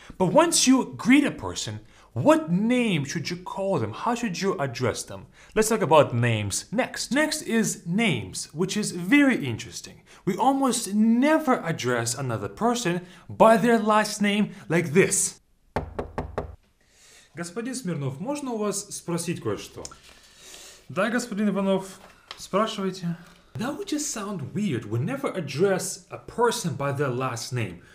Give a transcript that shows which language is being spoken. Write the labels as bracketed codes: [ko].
[en] But once you greet a person, what name should you call them? How should you address them? Let's talk about names next. Next is names, which is very interesting. We almost never address another person by their last name like this. [ru] Господин Смирнов, можно у вас спросить кое-что? Да, господин Иванов, спрашивайте. [en] That would just sound weird. We never address a person by their last name.